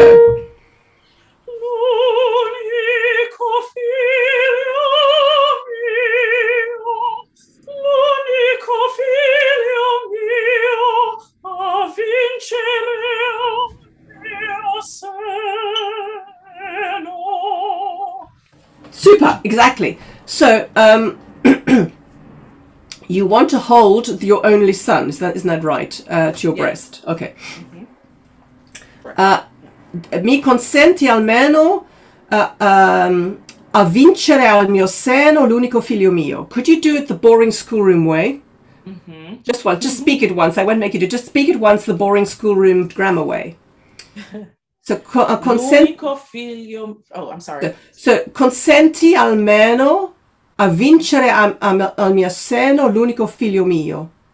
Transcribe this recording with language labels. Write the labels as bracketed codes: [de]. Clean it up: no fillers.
[it] L'unico figlio mio, l'unico figlio mio, a vincere mio seno. [en] Super, exactly. So, you want to hold your only son, isn't that right, to your breast? Okay. [it] Mi consenti almeno a vincere al mio seno l'unico figlio mio. [en] Could you do it the boring schoolroom way? Mm-hmm. Just once. Well, just speak it once. I won't make you do it. Just speak it once the boring schoolroom grammar way. So [it] l'unico figlio. [en] Oh, I'm sorry. [it] So consenti almeno a vincere al mio seno l'unico figlio mio.